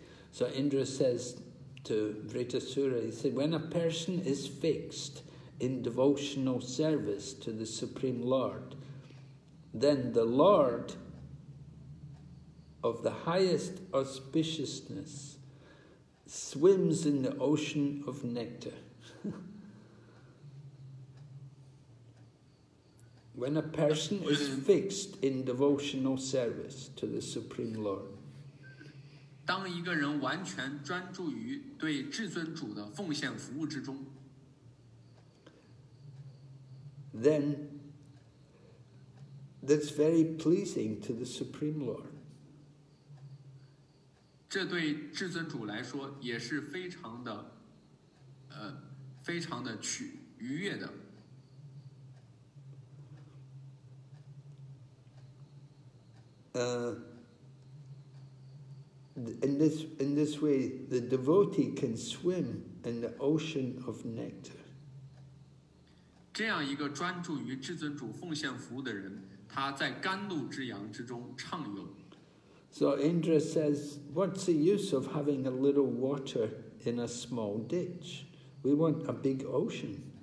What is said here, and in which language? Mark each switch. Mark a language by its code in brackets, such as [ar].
[en] So Indra says to Vritrasura, he said, when a person is fixed,in devotional service to the Supreme Lord, then the Lord of the highest auspiciousness swims in the ocean of nectar. When a person is fixed in devotional service to the Supreme Lord, [zh] 当一个人完全专注于对至尊主的奉献服务之中， [en] then that's very pleasing to the Supreme Lord. [zh] 这对至尊主来说也是非常的非常的愉悦的。 [en] In this way, the devotee can swim in the ocean of nectar. [zh] 这样一个专注于至尊主奉献服务的人，他在甘露之洋之中畅游。 [en] So Indra says, "What's the use of having a little water in a small ditch? We want a big ocean."